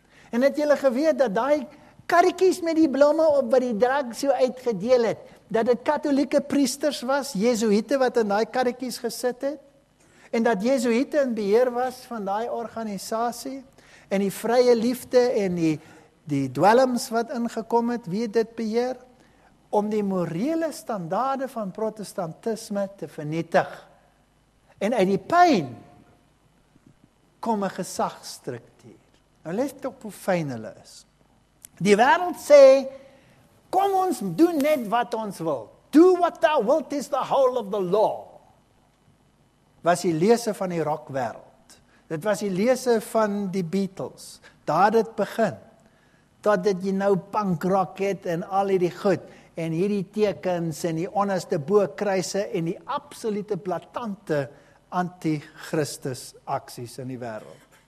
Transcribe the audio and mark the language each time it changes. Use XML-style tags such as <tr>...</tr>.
<af>En het jy geweet dat daai karretjies met die blomme op wat die drank so uitgedeel het, dat dit katolieke priesters was, jesuïte wat in daai karretjies gesit het, en dat jesuïte in beheer was van daai organisasie, en die vrye liefde en die dwelms wat ingekom het, wie dit beheer, om die morele standaarde van protestantisme te vernietig. En uit die pyn kom 'n gesagstruktuur. Nou let op hoe fyn hulle is. Die wêreld sê, kom ons doen net wat ons wil.</af> <en>Do what thou wilt is the whole of the law.</en> <af>Was die lese van die rockwêreld. Dit was die lese van die Beatles. Daar het begin. Tot dit jy nou punk rock het en al hierdie goed. En hierdie tekens en die onderste bo kruise en die absolute blatante anti-Christus aksies in die wêreld.</af>